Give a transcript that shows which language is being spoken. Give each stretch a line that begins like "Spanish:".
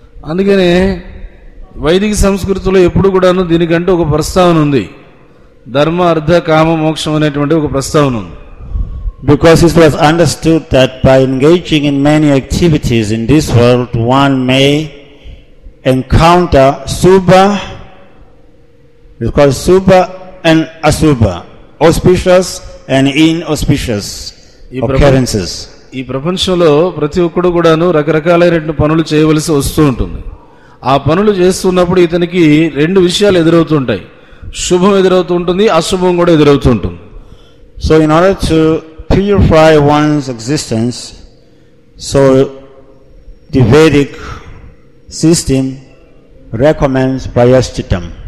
Telugu: అందుకనే వైదిక సంస్కృతిలో ఎప్పుడు కూడాను దీనికంటే ఒక ప్రస్తావన ఉంది, ధర్మ అర్థ కామ మోక్షం అనేటువంటి ఒక ప్రస్తావన ఉంది.
English: Because it was understood that by engaging in many activities in this world one may encounter శుభ It's called Subha and Asubha, auspicious and inauspicious occurrences.
Telugu: ఈ ప్రపంచంలో ప్రతి ఒక్కడు కూడాను రకరకాలైన పనులు చేయవలసి వస్తూ ఉంటుంది. ఆ పనులు చేస్తున్నప్పుడు ఇతనికి రెండు విషయాలు ఎదురవుతుంటాయి, శుభం ఎదురవుతూ ఉంటుంది, అశుభం కూడా ఎదురవుతూ ఉంటుంది.
English: So in order to purify one's existence, so the Vedic system recommends ప్రయశ్చితం.